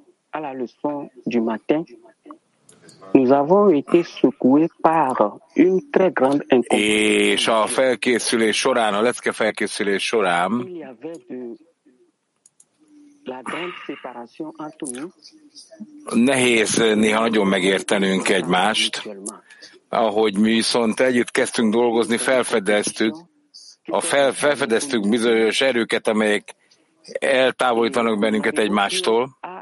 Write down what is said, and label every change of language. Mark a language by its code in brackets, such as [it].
[fr] À la leçon du matin, nous avons été secoués par une très grande incompréhension. [hu] És a felkészülés során, a lecke felkészülés során, [fr] il y avait de la grande séparation entre nous. [hu] Nehéz néha nagyon megértenünk egymást, ahogy mi viszont együtt kezdtünk dolgozni, felfedeztük bizonyos erőket, amelyek eltávolítanak bennünket egymástól.